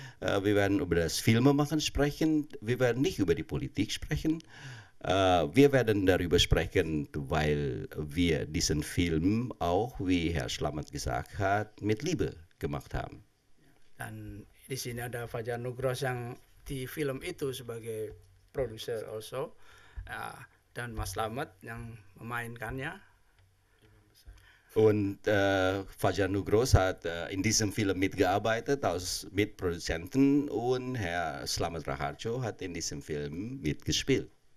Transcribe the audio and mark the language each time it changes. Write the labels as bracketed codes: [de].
[de] Wir werden über das Filmemachen sprechen. Wir werden nicht über die Politik sprechen. Wir werden darüber sprechen, weil wir diesen Film auch, wie Herr Schlammert gesagt hat, mit Liebe gemacht haben. [id] Dan di sini ada Fajar Nugros yang di film itu sebagai produser also. Dan Mas Slamet yang memainkannya. [de] Und Fajar Nugros hat in diesem Film mitgearbeitet als Mitproduzenten und Herr Slamet Raharjo hat in diesem Film mitgespielt.